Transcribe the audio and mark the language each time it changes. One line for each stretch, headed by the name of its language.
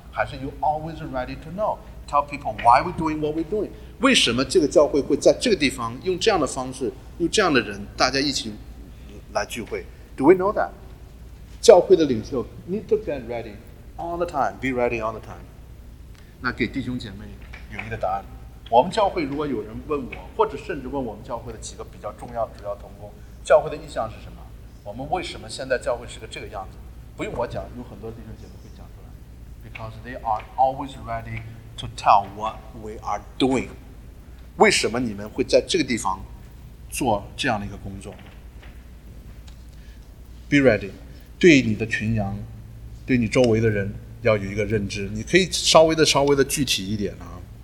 English: 还是 you always ready to know, tell people why we doing what we doing?
Chinese: 为什么这个教会会在这个地方用这样的方式，用这样的人大家一起来聚会？
English: Do we know that?
Chinese: 教会的领袖
English: need to get ready all the time, be ready all the time.
Chinese: 那给弟兄姐妹有一个答案。我们教会如果有人问我，或者甚至问我们教会的几个比较重要的主要同工，教会的意向是什么？我们为什么现在教会是个这个样子？不用我讲，有很多弟兄姐妹会讲出来。
English: Because they are always ready to tell what we are doing.
Chinese: 为什么你们会在这个地方做这样的一个工作？ Be ready， 对你的群羊，对你周围的人要有一个认知。你可以稍微的具体一点啊。